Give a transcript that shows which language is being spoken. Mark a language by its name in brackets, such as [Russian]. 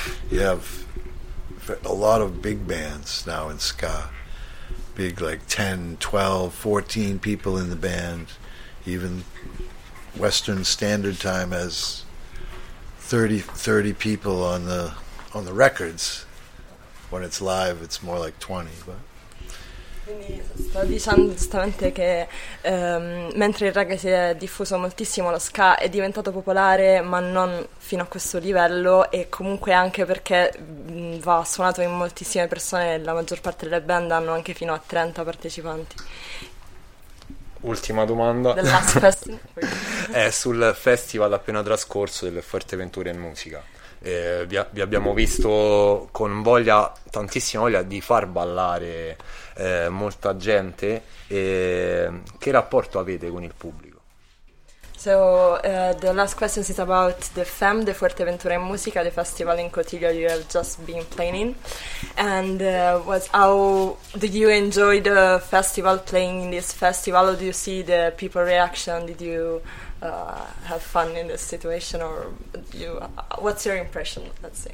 [English] You have a lot of big bands now in ska, big like 10, 12, 14 people in the band, even Western Standard Time has 30 people on the records. When it's live, it's more like 20. But [Italian] Diciamo giustamente che mentre il reggae si è diffuso moltissimo, lo ska è diventato popolare, ma non fino a questo livello, e comunque anche perché va suonato in moltissime persone, la maggior parte delle band hanno anche fino a 30 partecipanti. Ultima domanda. [English] The Last Fest. [Italian] È sul festival appena trascorso del Fuerteventura in Musica. Vi abbiamo visto con voglia, tantissima voglia di far ballare molta gente. Che rapporto avete con il pubblico? [English] So, the last question is about the FEM, the Fuerteventura in Musica, the festival in Cotillo you have just been playing in. And how do you enjoy the festival, playing in this festival? How do you see the people reaction? Did you have fun in this situation, or you, what's your impression, let's say?